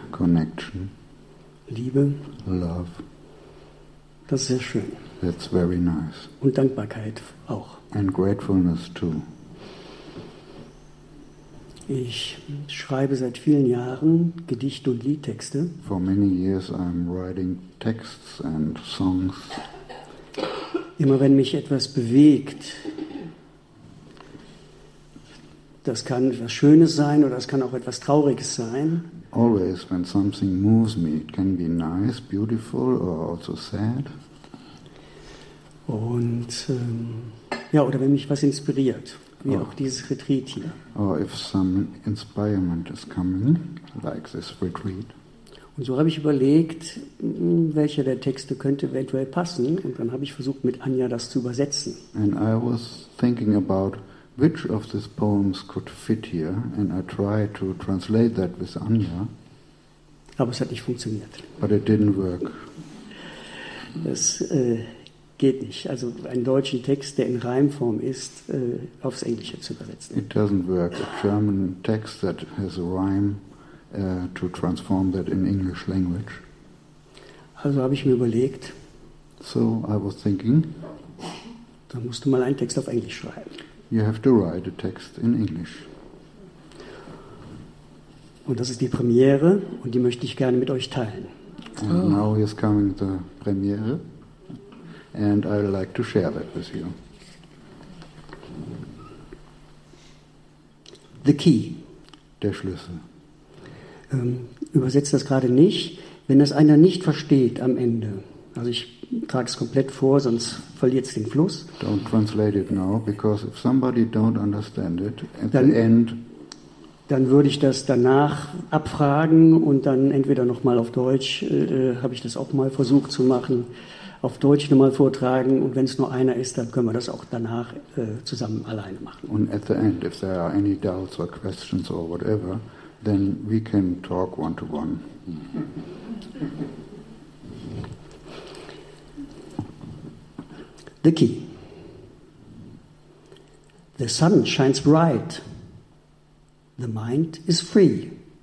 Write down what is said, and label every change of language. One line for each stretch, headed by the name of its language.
English: Connection.
German: Liebe.
English: Love.
German: Das ist sehr schön.
English: That's very nice.
German: Und Dankbarkeit auch.
English: And gratefulness too.
German: Ich schreibe seit vielen Jahren Gedichte und Liedtexte.
English: For many years I'm writing texts and songs.
German: Immer wenn mich etwas bewegt. Das kann etwas Schönes sein oder es kann auch etwas Trauriges sein.
English: Always when something moves me, it can be nice, beautiful or also sad.
German: Und ja, oder wenn mich was inspiriert, wie auch dieses Retreat hier.
English: Or if some inspirement is coming, like this retreat.
German: Und so habe ich überlegt, welcher der Texte könnte eventuell passen, und dann habe ich versucht, mit Anja das zu übersetzen.
English: And I was thinking about which of these poems could fit here, and I tried to translate that with Anja.
German: Aber es hat nicht funktioniert.
English: But it didn't work.
German: Das geht nicht. Also einen deutschen Text, der in Reimform ist, aufs Englische zu übersetzen.
English: It doesn't work. A German text that has a rhyme, to transform that in English language.
German: Also habe ich mir überlegt.
English: So I was thinking.
German: Dann musst du mal einen Text auf Englisch schreiben.
English: You have to write a text in English.
German: Und das ist die Premiere, und die möchte ich gerne mit euch teilen.
English: And now is coming the premiere, and I'd like to share that with you. The key.
German: Der Schlüssel. Übersetzt das gerade nicht. Wenn das einer nicht versteht am Ende, also ich trage es komplett vor, sonst verliert es den Fluss.
English: Don't translate it now, because if somebody don't understand it, at dann, the end...
German: Dann würde ich das danach abfragen und dann entweder nochmal auf Deutsch, habe ich das auch mal versucht zu machen, auf Deutsch nochmal vortragen, und wenn es nur einer ist, dann können wir das auch danach zusammen alleine machen. Und
English: at the end, if there are any doubts or questions or whatever, then we can talk one to one. The key. The sun shines bright. The mind is free.